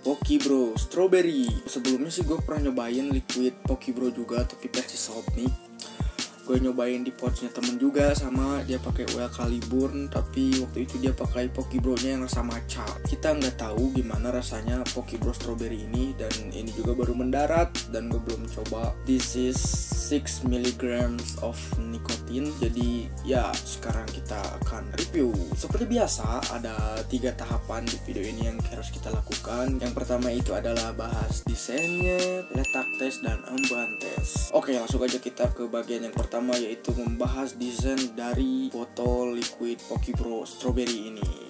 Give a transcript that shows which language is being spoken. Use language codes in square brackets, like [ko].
[id] Pokibro Strawberry. Sebelumnya sih gue pernah nyobain liquid Pokibro juga tapi versi soft nih. Gue nyobain di pouchnya temen juga, sama dia pakai Well Caliburn, tapi waktu itu dia pakai Pokibro nya yang rasa matcha. Kita nggak tahu gimana rasanya Pokibro Strawberry ini, dan ini juga baru mendarat dan gue belum coba. [en] This is 6 milligrams of nicotine. [id] Jadi ya sekarang kita akan review. Seperti biasa ada 3 tahapan di video ini yang harus kita lakukan. Yang pertama itu adalah bahas desainnya, letak test dan emban test. Oke, langsung aja kita ke bagian yang pertama, yaitu membahas desain dari botol liquid Pokibro Strawberry ini.